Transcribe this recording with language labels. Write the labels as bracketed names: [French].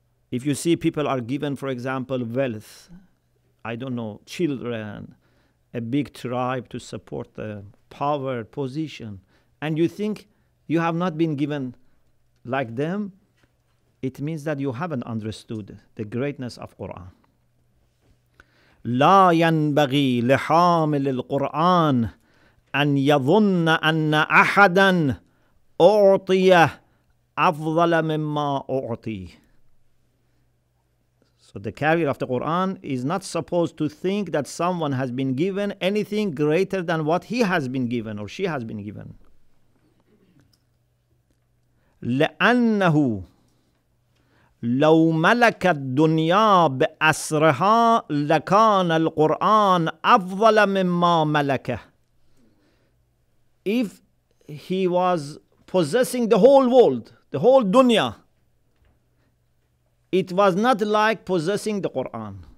[English] If you see people are given, for example, wealth, I don't know, children, a big tribe to support the power, position, and you think you have not been given like them, it means that you haven't understood the greatness of Quran. [Arabic] لا ينبغي لحامل القرآن أن يظن أن أحدا أعطي أفضل مما أعطي. [English] So the carrier of the Quran is not supposed to think that someone has been given anything greater than what he has been given or she has been given. [Arabic] لأنه لو ملك الدنيا بأسرها لكان القرآن أفضل مما ملكه. [English] If he was possessing the whole world, the whole dunya, it was not like possessing the Quran.